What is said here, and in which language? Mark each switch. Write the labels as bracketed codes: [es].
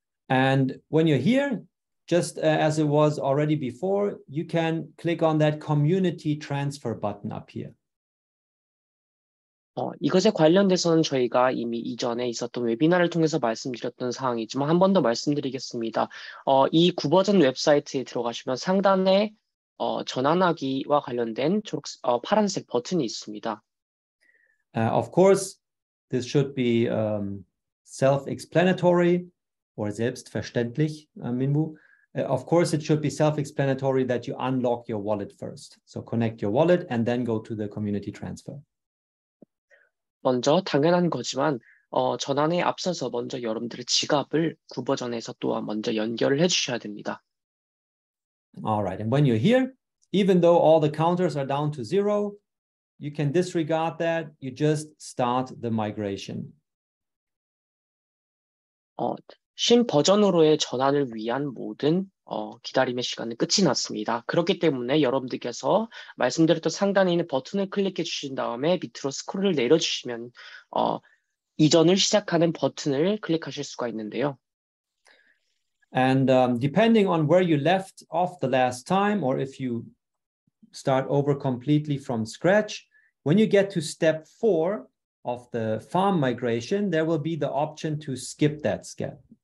[en] And when you're here, just as it was already before, you can click on that community transfer button up here. [ko] 이것에 관련돼서는 저희가 이미 이전에 있었던 웨비나를 통해서 말씀드렸던 사항이지만 한 번 더 말씀드리겠습니다. 이 구버전 웹사이트에 들어가시면 상단에 전환하기와 관련된 파란색 버튼이 있습니다. [en] Of course, this should be self-explanatory or [de] selbstverständlich, [en] Minbu. Of course, it should be self-explanatory that you unlock your wallet first. So connect your wallet and then go to the community transfer. [ko] 먼저 당연한 거지만 전환에 앞서서 먼저 여러분들의 지갑을 구버전에서 또한 먼저 연결을 해주셔야 됩니다. [en] All right, and when you're here, even though all the counters are down to zero, you can disregard that. You just start the migration. [ko] 신 버전으로의 전환을 위한 모든 기다림의 시간은 끝이 났습니다. 그렇기 때문에 여러분들께서 말씀드렸던 상단에 있는 버튼을 클릭해 주신 다음에 밑으로 스크롤을 내려주시면 이전을 시작하는 버튼을 클릭하실 수가 있는데요. [en] And depending on where you left off the last time, or if you start over completely from scratch, when you get to step 4 of the farm migration, there will be the option to skip that step.